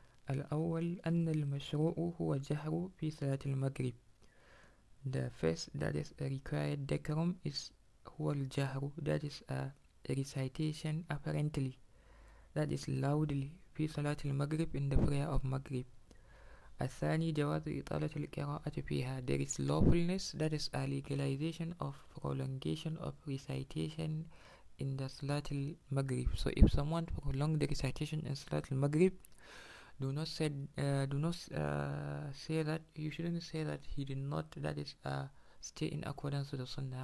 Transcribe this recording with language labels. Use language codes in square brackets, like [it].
[ar] الأول أن المشروع هو جهر في صلاة المغرب. [en] The first, that is a required decorum, is [ar] هو الجهر, [en] that is a recitation apparently. that is loudly [ar] في صلاة المغرب [en] in the prayer of Maghrib. [ar] الثاني جواز إطالة القراءة فيها. [en] There is lawfulness, that is a legalization of prolongation of recitation in the Salat al-Maghrib. So if someone prolong the recitation in Salat al-Maghrib, do not say that, you shouldn't say that he did not, that is a stay in accordance with the Sunnah.